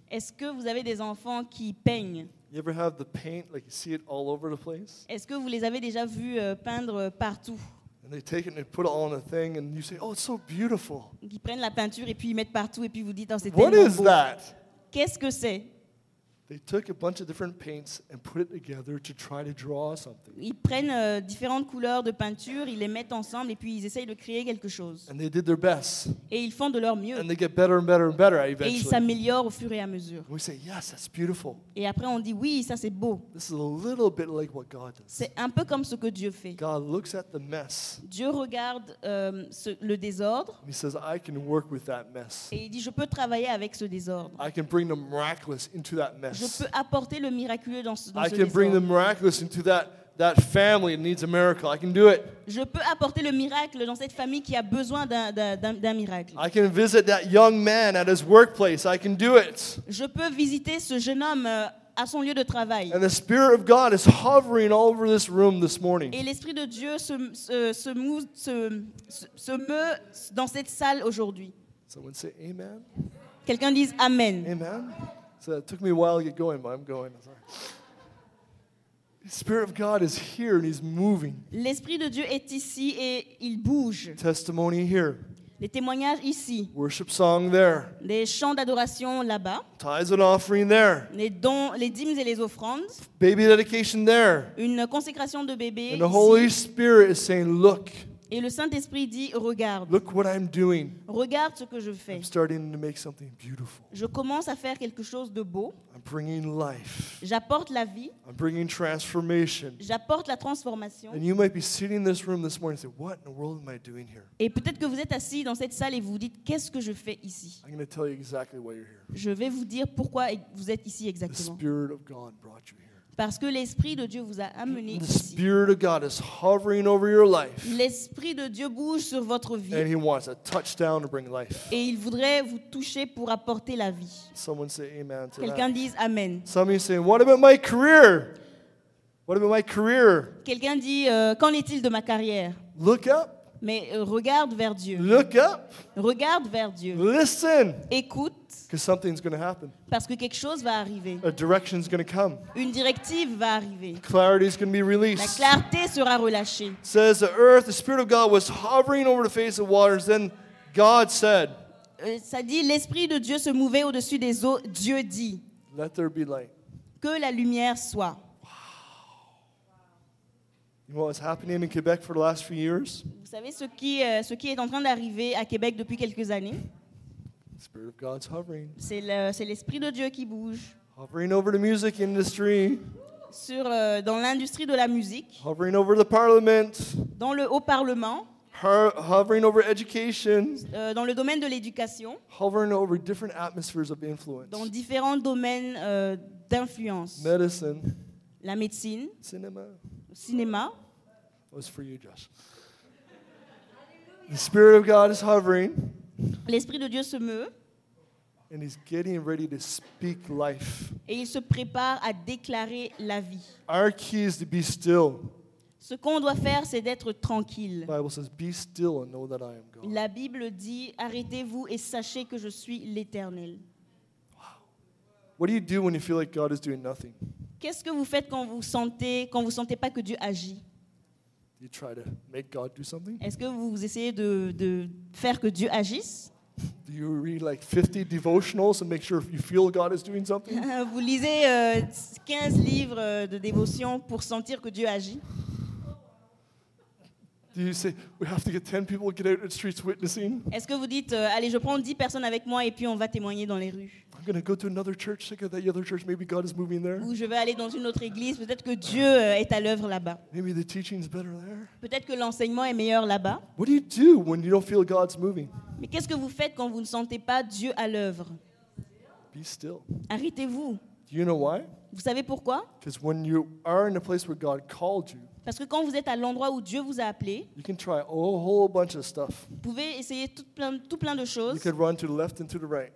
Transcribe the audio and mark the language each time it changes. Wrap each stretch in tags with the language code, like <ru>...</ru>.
<fr>Est-ce que vous avez des enfants qui peignent?</fr> <en>You ever have the paint like you see it all over the place?</en> <fr>Est-ce que vous les avez déjà vu peindre partout?</fr> <en>And they take it and they put it on a thing and you say, "Oh, it's so beautiful."</en> <fr>Ils prennent la peinture et puis ils mettent partout et puis vous dites, "Oh, c'est tellement beau."</fr> <en>What is that?</en> <fr>Qu'est-ce que c'est?</fr> <en>They took a bunch of different paints and put it together to try to draw something.</en> <fr>Ils prennent différentes couleurs de peinture, ils les mettent ensemble et puis ils essayent de créer quelque chose.</fr> <en>And they did their best.</en> <fr>Et ils font de leur mieux.</fr> <en>And they get better and better and better eventually.</en> <fr>Et ils s'améliorent au fur et à mesure.</fr> <en>We say, yes, that's beautiful.</en> <fr>Et après on dit oui, ça c'est beau.</fr> <en>This is a little bit like what God does.</en> <fr>C'est un peu comme ce que Dieu fait.</fr> <en>God looks at the mess.</en> <fr>Dieu regarde le désordre.</fr> <en>He says, I can work with that mess.</en> <fr>Et il dit je peux travailler avec ce désordre.</fr> <en>I can bring the miraculous into that mess.</en> <fr>Je peux apporter le miraculeux dans ce désordre.</fr> <en>I can bring the miraculous into that family that needs a miracle. I can do it.</en> <fr>Je peux apporter le miracle dans cette famille qui a besoin d'un miracle.</fr> <en>I can visit that young man at his workplace. I can do it.</en> <fr>Je peux visiter ce jeune homme à son lieu de travail.</fr> <en>And the Spirit of God is hovering all over this room this morning.</en> <fr>Et l'Esprit de Dieu se meut dans cette salle aujourd'hui.</fr> <en>Someone say amen.</en> <fr>Quelqu'un dise amen.</fr> <en>Amen. So it took me a while to get going, but I'm going. The Spirit of God is here and He's moving.</en> <fr>L'Esprit de Dieu est ici et il bouge.</fr> <en>Testimony here.</en> <fr>Les témoignages ici.</fr> <en>Worship song there.</en> <fr>Les chants d'adoration là-bas.</fr> <en>Tithes and offering there.</en> <fr>Les dons, les dîmes et les offrandes.</fr> <en>Baby dedication there.</en> <fr>Une consécration de bébé.</fr> <en>And the Holy Spirit is saying, "Look."</en> <fr>Et le Saint-Esprit dit, regarde.</fr> <en>Look what I'm doing.</en> <fr>Regarde ce que je fais.</fr> <en>I'm starting to make something beautiful.</en> <fr>Je commence à faire quelque chose de beau.</fr> <en>I'm bringing life.</en> <fr>J'apporte la vie.</fr> <en>I'm bringing transformation.</en> <fr>J'apporte la transformation.</fr> <en>And you might be sitting in this room this morning and say, what in the world am I doing here?</en> <fr>Et peut-être que vous êtes assis dans cette salle et vous dites, qu'est-ce que je fais ici?</fr> <en>I'm going to tell you exactly why you're here.</en> <fr>Je vais vous dire pourquoi vous êtes ici exactement.</fr> <en>The Spirit of God brought you here.</en> <fr>Parce que l'Esprit de Dieu vous a amené ici.</fr> <en>The Spirit of God is hovering over your life.</en> <fr>L'Esprit de Dieu bouge sur votre vie.</fr> <en>And He wants a touchdown to bring life.</en> <fr>Et il voudrait vous toucher pour apporter la vie.</fr> <en>Someone say amen to</en> <fr>Quelqu'un</fr> <en>that.</en> <fr>Dise amen.</fr> <en>Somebody say, what about my career? What about my career?</en> <fr>Quelqu'un dit, qu'en est-il de ma carrière?</fr> <en>Look up.</en> <fr>Mais regarde vers Dieu.</fr> <en>Look up.</en> <fr>Regarde vers Dieu.</fr> <en>Listen.</en> <fr>Écoute.</fr> <en>Because something's going to happen.</en> <fr>Parce que quelque chose va arriver.</fr> <en>A direction's going to come.</en> <fr>Une directive va arriver.</fr> <en>Clarity's going to be released.</en> <fr>La clarté sera relâchée.</fr> <en>It says the earth, the Spirit of God was hovering over the face of the waters. Then God said.</en> <fr>Ça dit l'Esprit de Dieu se mouvait au-dessus des eaux. Dieu dit.</fr> <en>Let there be light.</en> <fr>Que la lumière soit.</fr> <en>You know what was happening in Quebec for the last few years?</en> <fr>Vous savez ce qui est en train d'arriver à Québec depuis quelques années?</fr> <en>Spirit of God's hovering.</en> <fr>C'est l'Esprit de Dieu qui bouge.</fr> <en>Hovering over the music industry.</en> <fr>Dans l'industrie de la musique.</fr> <en>Hovering over the parliament.</en> <fr>Dans le haut parlement.</fr> <en>Hovering over education.</en> <fr>Dans le domaine de l'éducation.</fr> <en>Hovering over different atmospheres of influence.</en> <fr>Dans différents domaines d'influence.</fr> <en>Medicine.</en> <fr>La médecine. Cinéma.</fr> <en>Cinema. That was for you, Josh. The Spirit of God is hovering.</en> <fr>L'Esprit de Dieu se meut.</fr> <en>And He's getting ready to speak life.</en> <fr>Et il se prépare à déclarer la vie.</fr> <en>Our key is to be still.</en> <fr>Ce qu'on doit faire, c'est d'être tranquille.</fr> <en>The Bible says, "Be still and know that I am God."</en> <fr>La Bible dit, arrêtez-vous et sachez que je suis l'Éternel.</fr> <en>Wow. What do you do when you feel like God is doing nothing?</en> <fr>Qu'est-ce que vous faites quand vous sentez pas que Dieu agit?</fr> <en>You try to make God do something?</en> <fr>Est-ce que vous essayez de faire que Dieu agisse?</fr> <en>Do you read like 50 devotionals and make sure you feel God is doing something?</en> <fr>Vous lisez 15 livres de dévotion pour sentir que Dieu agit?</fr> <en>Do you say we have to get 10 people to get out in the streets witnessing?</en> <fr>Est-ce que vous dites allez, je prends 10 personnes avec moi et puis on va témoigner dans les rues?</fr> <en>I'm going to go to another church, check out that other church, maybe God is moving there.</en> <fr>Ou je vais aller dans une autre église, peut-être que Dieu est à l'œuvre là-bas.</fr> <en>Maybe the teaching is better there.</en> <fr>Peut-être que l'enseignement est meilleur là-bas.</fr> <en>What do you do when you don't feel God's moving?</en> <fr>Mais qu'est-ce que vous faites quand vous ne sentez pas Dieu à l'œuvre?</fr> <en>Be still.</en> <fr>Arrêtez-vous.</fr> <en>Do you know why?</en> <fr>Vous savez pourquoi?</fr> <en>Because when you are in a place where God called you,</en> <fr>parce que quand vous êtes à l'endroit où Dieu vous a appelé,</fr> <en>you can try a whole bunch of stuff.</en> <fr>Vous pouvez essayer tout plein de choses.</fr> <en>You can run to the left and to the right.</en>